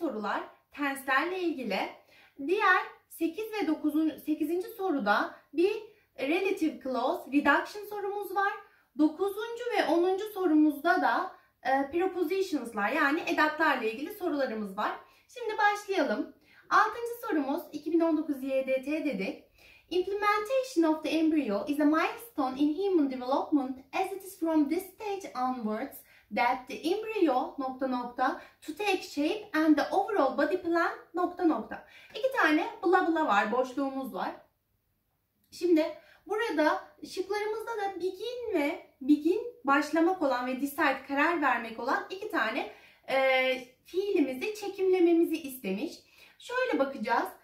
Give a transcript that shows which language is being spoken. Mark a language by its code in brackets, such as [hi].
[tr] sorular tenslerle ilgili. Diğer 8. soruda bir relative clause, reduction sorumuz var. 9. ve 10. sorumuzda da prepositions'lar yani edatlarla ilgili sorularımız var. Şimdi başlayalım. 6. sorumuz 2019 YDT dedik. [en] Implementation of the embryo is a milestone in human development as it is from this stage onwards that the embryo [tr] nokta nokta [en] to take shape and the overall body plan nokta nokta. [tr] İki tane bla bla var, boşluğumuz var. Şimdi burada şıklarımızda da begin ve begin başlamak olan ve decide karar vermek olan iki tane fiilimizi çekimlememizi istemiş. Şöyle bakacağız.